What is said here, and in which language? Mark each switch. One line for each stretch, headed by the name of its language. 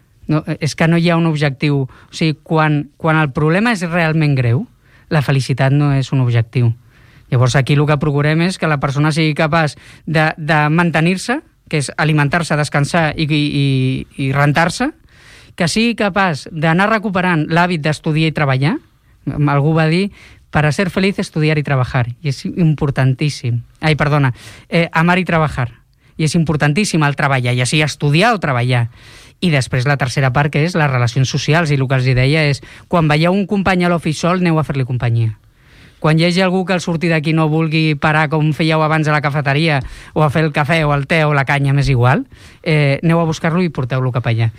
Catalan: No, és que no hi ha un objectiu. O sigui, quan el problema és realment greu, la felicitat no és un objectiu. Llavors, aquí el que procurem és que la persona sigui capaç de mantenir-se, que és alimentar-se, descansar i rentar-se, que sigui capaç d'anar recuperant l'hàbit d'estudiar i treballar. Algú va dir,
Spanish: para ser feliz, estudiar y trabajar.
Catalan: I és importantíssim. Ai, perdona. Amar i treballar. I és importantíssim el treballar, ja sigui estudiar o treballar. I després la tercera part, que és les relacions socials, i el que els deia és, quan veieu un company a l'ofici sol, aneu a fer-li companyia. Quan hi hagi algú que al sortir d'aquí no vulgui parar com fèieu abans a la cafeteria, o a fer el cafè, o el te, o la canya, m'és igual, aneu a buscar-lo i porteu-lo cap allà.